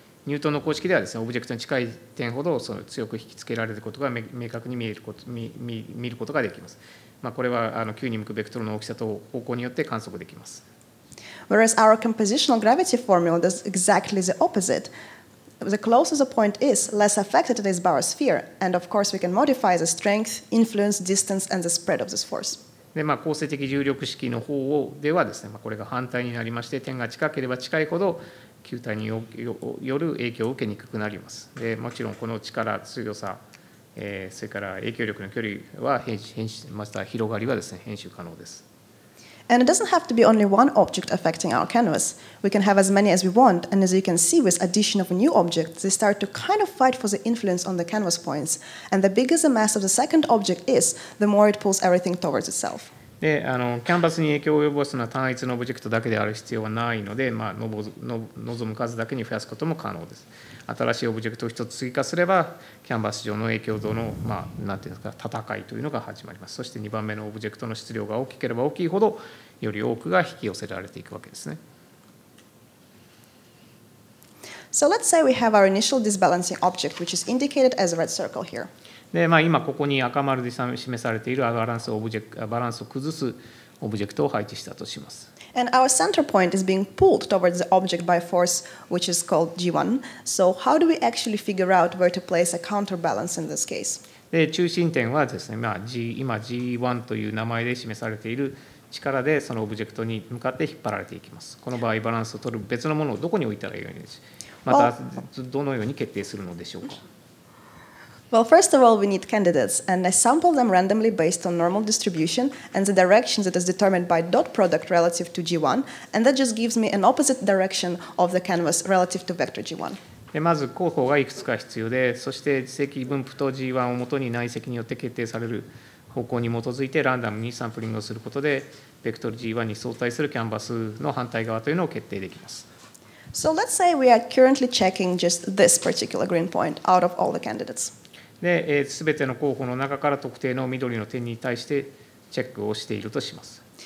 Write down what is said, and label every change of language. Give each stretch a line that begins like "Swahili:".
Japanese: ニュートンの公式ではですね、オブジェクトに近い点ほどその強く引きつけられることが明確に見ることができます。まあ、これは球に向くベクトルの大きさと方向によって観測できます。
English: Whereas our compositional gravity formula does exactly the opposite. The closer the point is, less affected it is by our sphere. And of course, we can modify the strength, influence, distance, and the spread of this force.
Japanese: で、まあ、構成的重力式の方ではですね、まあ、これが反対になりまして、点が近ければ近いほど球体による影響を受けにくくなります。で、もちろんこの力、強さ、それから影響力の距離は変身、また広がりはですね、編集可能です。
English: And it doesn't have to be only one object affecting our canvas. We can have as many as we want, and as you can see with addition of a new object, they start to kind of fight for the influence on the canvas points. And the bigger the mass of the second object is, the more it pulls everything towards itself.
Japanese: で、キャンバスに影響を及ぼすのは単一のオブジェクトだけである必要はないので、まあ、望む数だけに増やすことも可能です。新しいオブジェクトを一つ追加すれば、キャンバス上の影響度の、まあ、なんていうんですか、戦いというのが始まります。そして2番目のオブジェクトの質量が大きければ大きいほど、より多くが引き寄せられていくわけですね。
English: So let's say we have our initial disbalancing object, which is indicated as a red circle here.
Japanese: で、まあ、今ここに赤丸で示されているバランスを崩すオブジェクトを配置したとします。
English: And our center point is being pulled towards the object by force, which is called G1. So how do we actually figure out where to place a counterbalance in this case?
Japanese: で、中心点はですね、まあ、今 G1 という名前で示されている力でそのオブジェクトに向かって引っ張られていきます。この場合、バランスを取る別のものをどこに置いたらいいのか、またどのように決定するのでしょうか。
English: Well, first of all, we need candidates, and I sample them randomly based on normal distribution and the direction that is determined by dot product relative to G1, and that just gives me an opposite direction of the canvas relative to vector G1.
Japanese: で、まず候補がいくつか必要で、そして積分布と G1 をもとに内積によって決定される方向に基づいてランダムにサンプリングをすることで、ベクトル G1 に相対するキャンバスの反対側というのを決定できます。
English: So let's say we are currently checking just this particular green point out of all the candidates.
Japanese: で、全ての候補の中から特定の緑の点に対してチェックをしているとします。